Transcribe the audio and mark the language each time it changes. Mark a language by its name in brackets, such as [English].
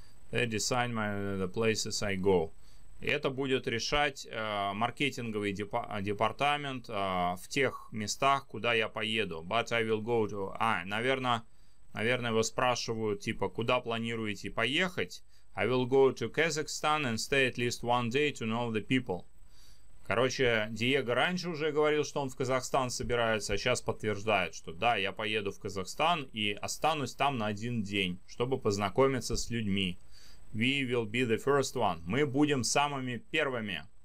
[English] They decide the places I go. [Russian] Это будет решать маркетинговый департамент в тех местах, куда я поеду. [English] But I will go to... [Russian] А, наверное, его спрашивают, типа, куда планируете поехать? [English] I will go to Kazakhstan and stay at least one day to know the people. [Russian] Короче, Диего раньше уже говорил, что он в Казахстан собирается, а сейчас подтверждает, что да, я поеду в Казахстан и останусь там на один день, чтобы познакомиться с людьми. [English] We will be the first one. [Russian] Мы будем самыми первыми.